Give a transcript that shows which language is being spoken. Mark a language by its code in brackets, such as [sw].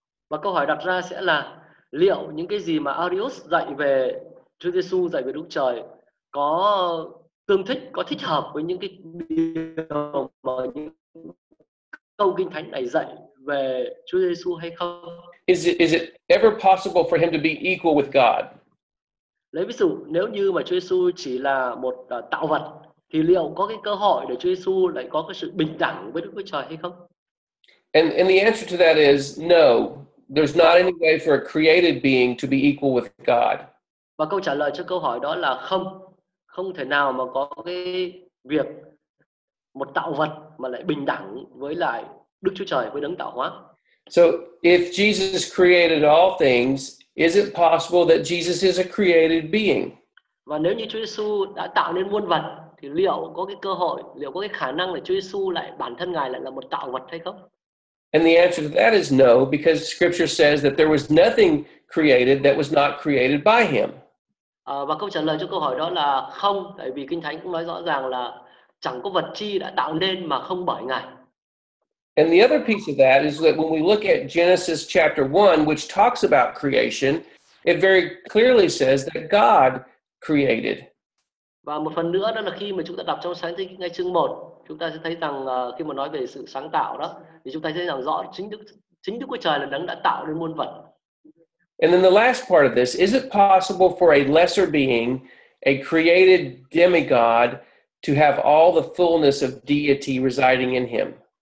[vi] Và câu hỏi đặt ra sẽ là liệu những cái gì mà Arius dạy về Chúa Giêsu, dạy về Đức Trời có tương thích, có thích hợp với những cái điều mà những câu kinh thánh này dạy về Chúa Giêsu hay không? [en] Is it ever possible for him to be equal with God? [vi] Lấy ví dụ, nếu như mà Chúa Giêsu chỉ là một tạo vật, thì liệu có cái cơ hội để Chúa Giêsu lại có cái sự bình đẳng với Đức Chúa Trời hay không? [en] And the answer to that is no. There's not any way for a created being to be equal with God. [vi] Và câu trả lời cho câu hỏi đó là không. Không thể nào mà có cái việc một tạo vật mà lại bình đẳng với lại Đức Chúa Trời, với đấng tạo hóa. [en] So if Jesus created all things, is it possible that Jesus is a created being? [vi] Và nếu như Chúa Giêsu đã tạo nên muôn vật, thì liệu có cái cơ hội, liệu có cái khả năng là Chúa Giêsu lại bản thân Ngài lại là một tạo vật hay không? [en] And the answer to that is no, because scripture says that there was nothing created that was not created by him. [vi] Và câu trả lời cho câu hỏi đó là không, tại vì Kinh Thánh cũng nói rõ ràng là chẳng có vật chi đã tạo nên mà không bởi Ngài. [en] And the other piece of that is that when we look at Genesis chapter 1, which talks about creation, it very clearly says that God created. [vi] Và một phần nữa đó là khi mà chúng ta đọc trong Sáng Thế Ký ngay chương 1, chúng ta sẽ thấy rằng khi mà nói về sự sáng tạo đó, thì chúng ta sẽ thấy rằng rõ chính Đức Chúa Trời là đấng đã tạo nên muôn vật. [en] And then the last part of this, is it possible for a lesser being, a created demigod, to have all the fullness of deity residing in him?